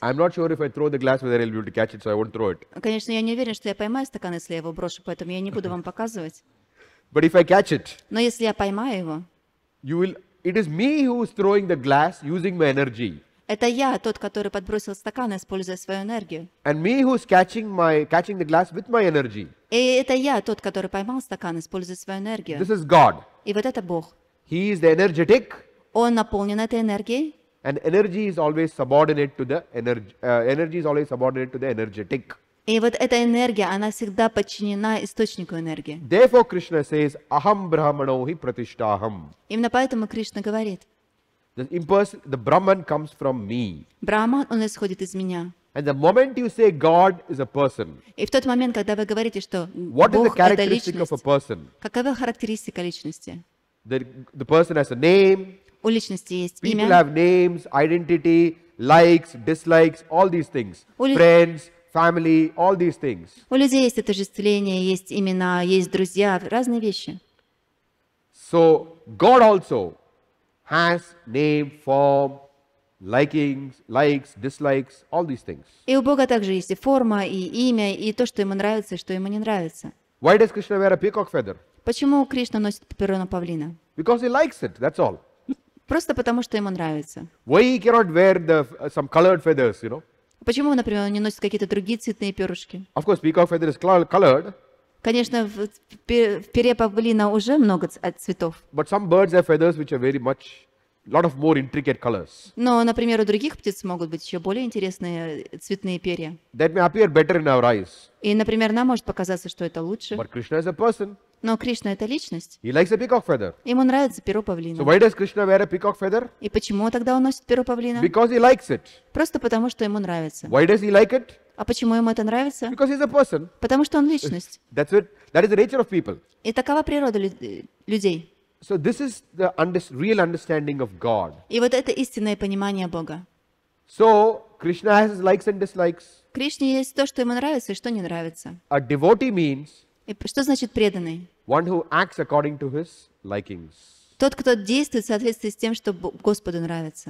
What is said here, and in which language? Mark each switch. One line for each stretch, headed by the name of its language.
English: I'm not sure if I throw the glass, whether I'll be able to catch it, so I won't throw it.
Russian: Конечно, я не уверен, что я поймаю стакан, если я его брошу, поэтому я не буду вам показывать.
English: But if I catch it,
Russian: но если я поймаю его,
English: you will. It is me who is throwing the glass using my energy.
Russian: Это я, тот, который подбросил стакан, используя свою энергию.
English: And me who is catching the glass with my energy.
Russian: И это я, тот, который поймал стакан, используя свою энергию.
English: This is God.
Russian: И вот это Бог.
English: He is the energetic.
Russian: Он наполнен этой энергией.
English: And energy is always subordinate to the energy. Energy is always subordinate to the energetic.
Russian: И вот эта энергия, она всегда подчинена источнику энергии.
English: Therefore Krishna says,
Sanskrit: Aham Brahmanohi Pratishtaham.
Russian: Именно поэтому Кришна говорит,
English: the Brahman comes from me.
Russian: Брахман, он исходит из меня.
English: And the moment you say God is a person,
Russian: и в тот момент, когда вы говорите, что
English: what
Russian: Бог
English: is the characteristic
Russian: это личность,
English: of a person?
Russian: Какова характеристика личности?
English: The person has a name,
Russian: у личности есть
English: people people have names, identity, likes, dislikes, all these things, friends, family, all these things.
Russian: У людей есть отождествление, есть имена, есть друзья, разные вещи.
English: So God also has name, form, likings, likes, dislikes, all these things.
Russian: И у Бога также есть и форма, и имя, и то, что ему нравится, и что ему не нравится.
English: Why does Krishna wear a peacock feather?
Russian: Почему Кришна носит перо павлина?
English: Because he likes it. That's all.
Russian: Просто потому, что ему нравится.
English: Why he cannot wear some colored feathers, you know?
Russian: Почему, например, он не носит какие-то другие цветные перышки?
English: Of course, peacock feather is colored.
Russian: Конечно, в перья павлина уже много цветов.
English: But some birds have feathers which are very much, lot of more intricate colors.
Russian: Но, например, у других птиц могут быть еще более интересные цветные перья.
English: That may appear better in our eyes.
Russian: И, например, нам может показаться, что это лучше.
English: But Krishna is a person.
Russian: Но Кришна — это личность.
English: He likes a peacock feather.
Russian: Ему нравится перо павлина.
English: So why does Krishna wear a peacock feather?
Russian: И почему тогда он носит перо павлина?
English: Because he likes it.
Russian: Просто потому, что ему нравится.
English: Why does he like it?
Russian: А почему ему это нравится?
English: Because he's a person.
Russian: Потому что он личность.
English: That's it. That is the nature of people.
Russian: И такова природа людей.
English: So this is the real understanding of God.
Russian: И вот это истинное понимание Бога.
English: So Krishna has his likes and dislikes.
Russian: Кришне есть то, что ему нравится, и что не нравится.
English: A devotee means.
Russian: И что значит преданный?
English: One who acts according to his likings.
Russian: Тот, кто действует в соответствии с тем, что Господу нравится.